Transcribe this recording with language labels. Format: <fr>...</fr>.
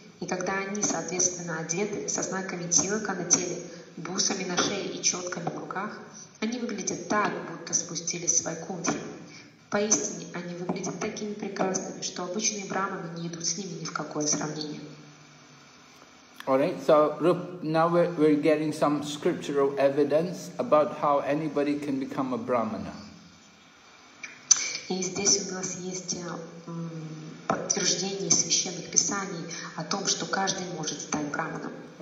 <ru>И когда они, соответственно, одеты со знаками тилака на теле, бусами на шее и четками в руках, они выглядят так, будто спустились с Вайкунтхи. Поистине, они выглядят такими прекрасными, что обычные брахманы не идут с ними ни в какое сравнение.</ru> <en>All right, so now we're getting some scriptural evidence about how anybody can become a brahmana.</en> <ru>И здесь у нас есть подтверждение священных писаний о том, что каждый может стать браманом.</ru>